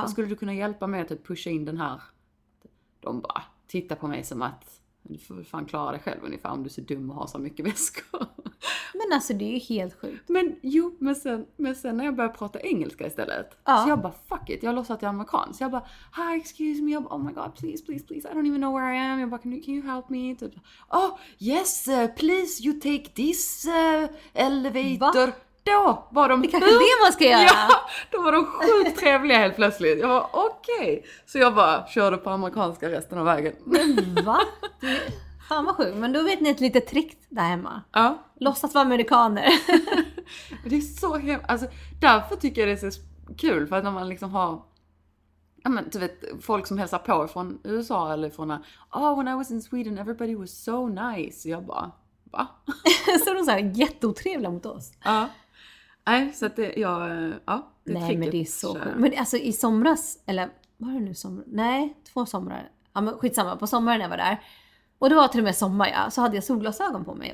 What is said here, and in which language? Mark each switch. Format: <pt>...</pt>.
<sv>Vad skulle du kunna hjälpa mig att typ pusha in den här? De bara tittar på mig som att, du får fan klara dig själv ungefär, om du är så dum och har så mycket väskor. Men alltså, det är ju helt sjukt. Men jo, men sen när jag började prata engelska istället, ja. Så jag bara, fuck it, jag låtsas att jag är amerikan. Så jag bara,</sv> <en>hi, excuse me,</en> <sv>jag bara,</sv> <en>oh my god, please, please, please, I don't even know where I am.</en> <sv>Jag bara,</sv> <en>can you help me?</en> <sv>Typ.</sv> <en>Oh, yes, please, you take this elevator.</en> <sv>Va? Då var de... Det kanske är det man ska göra. Ja, då var de sjukt trevliga helt plötsligt. Jag bara, okej. Okay. Så jag bara körde på amerikanska resten av vägen. Men va? Fan vad sjukt, men då vet ni ett litet trick där hemma. Ja. Låtsas vara amerikaner. Det är så hemma. Alltså, därför tycker jag det är så kul. För att när man liksom har... Ja, men, du vet, folk som hälsar på från USA eller från...</sv> <en>Oh, when I was in Sweden, everybody was so nice.</en> <sv>Jag bara, va? Så de så här jätteotrevliga mot oss. Ja. Nej, så att det... Ja, ja, det nej, tricket. Men det är så sjukt. Men alltså i somras, eller... Var det nu somrar? Nej, två somrar. Ja, men skitsamma. På sommaren när jag var där... Och det var till och med sommar, ja. Så hade jag solglasögon på mig.</sv>